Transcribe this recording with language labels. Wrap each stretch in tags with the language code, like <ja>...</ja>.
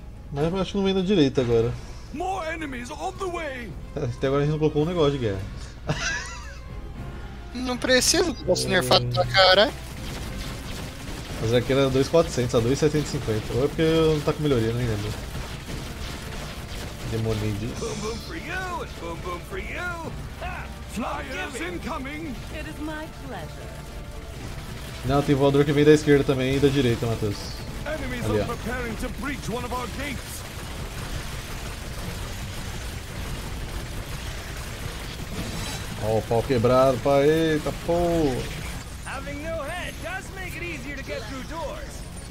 <pt>Mas eu acho que não vem da direita agora.</pt> <en>More enemies on the way.</en> <pt>Até agora a gente não colocou um negócio de guerra. Não preciso, posso nerfar tua cara. Mas aqui era 2.400, a 2.750. Ou é porque eu não tá com melhoria, nem lembro. Demônio disso.</pt> <en>Boom boom for you, it's boom boom for you. Flyers incoming. It is my pleasure.</en> <pt>Não, tem voador que vem da esquerda também e da direita, Matheus.</pt> <en>Enemies are preparing to breach one of our gates.</en> <pt>Ó, o pau quebrado, pai, eita pô!</pt> <en>Having no head does make it easier to get through doors.</en>